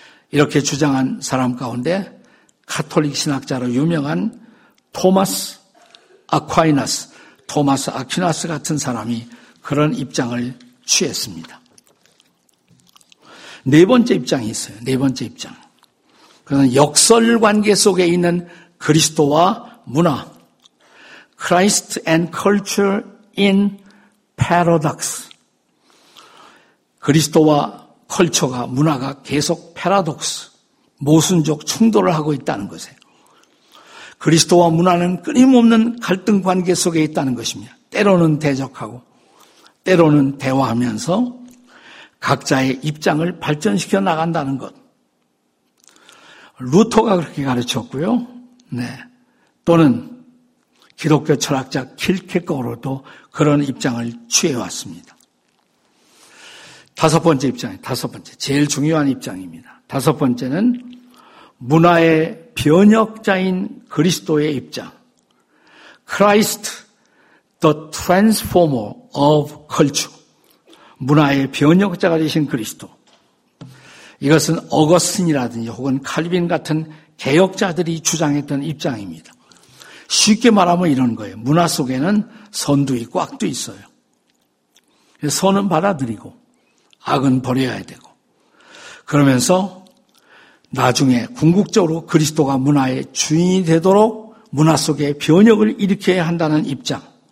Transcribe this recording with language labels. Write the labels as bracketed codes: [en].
[ko] 이렇게 주장한 사람 가운데 가톨릭 신학자로 유명한 토마스 아퀴나스 같은 사람이 그런 입장을 취했습니다. 네 번째 입장이 있어요. 네 번째 입장. 그건 역설 관계 속에 있는 그리스도와 문화. [en] Christ and culture in paradox. [ko] 그리스도와 컬처가, 문화가 계속 패러독스, 모순적 충돌을 하고 있다는 것이에요. 그리스도와 문화는 끊임없는 갈등 관계 속에 있다는 것입니다. 때로는 대적하고 때로는 대화하면서 각자의 입장을 발전시켜 나간다는 것. 루터가 그렇게 가르쳤고요. 네. 또는 기독교 철학자 킬케거로도 그런 입장을 취해왔습니다. 다섯 번째 입장이에요. 다섯 번째. 제일 중요한 입장입니다. 다섯 번째는 문화의 변혁자인 그리스도의 입장. [en] Christ, the transformer of culture. [ko] 문화의 변혁자가 되신 그리스도. 이것은 어거스틴이라든지 혹은 칼빈 같은 개혁자들이 주장했던 입장입니다. 쉽게 말하면 이런 거예요. 문화 속에는 선도 있고 악도 있어요. 선은 받아들이고 악은 버려야 되고. 그러면서 나중에 궁극적으로 그리스도가 문화의 주인이 되도록 문화 속에 변혁을 일으켜야 한다는 입장.